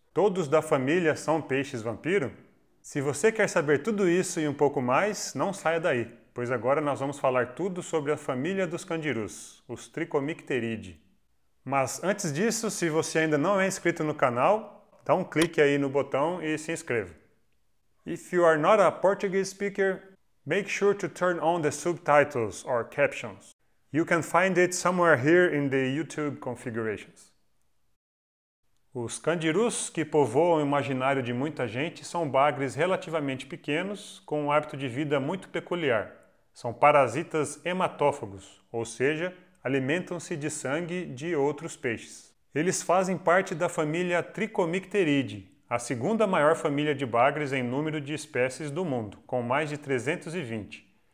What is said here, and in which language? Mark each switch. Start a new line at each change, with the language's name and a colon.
Portuguese: Todos da família são peixes vampiro? Se você quer saber tudo isso e um pouco mais, não saia daí, pois agora nós vamos falar tudo sobre a família dos candirus, os Trichomycteridae. Mas antes disso, se você ainda não é inscrito no canal, dá um clique aí no botão e se inscreva.
English: If you are not a Portuguese speaker, make sure to turn on the subtitles or captions. You can find it somewhere here in the YouTube configurations.
Portuguese: Os candirus que povoam o imaginário de muita gente são bagres relativamente pequenos, com um hábito de vida muito peculiar. São parasitas hematófagos, ou seja, alimentam-se de sangue de outros peixes. Eles fazem parte da família Trichomycteridae, a segunda maior família de bagres em número de espécies do mundo, com mais de 320.